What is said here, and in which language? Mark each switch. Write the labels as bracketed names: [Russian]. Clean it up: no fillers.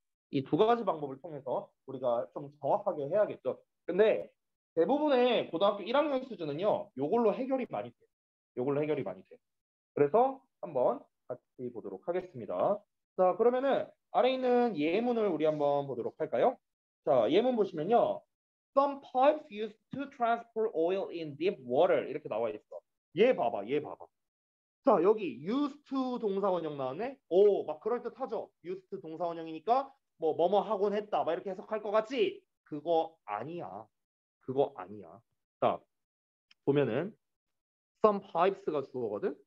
[Korean] 이 두 가지 방법을 통해서 우리가 좀 정확하게 해야겠죠. 근데 대부분의 고등학교 1학년 수준은요. 이걸로 해결이 많이 돼요. 이걸로 해결이 많이 돼요. 그래서 한번 같이 보도록 하겠습니다. 자, 그러면은 아래 있는 예문을 우리 한번 보도록 할까요? 자, 예문 보시면요. [English] Some pipes used to transport oil in deep water. [Korean] 이렇게 나와 있어. 얘 봐봐. 자, 여기 used to 동사원형 나왔네. 오, 막 그럴듯하죠. used to 동사원형이니까 뭐뭐뭐 하곤 했다. 막 이렇게 해석할 것 같지? 그거 아니야. 자, 보면은 some pipes가 주어거든.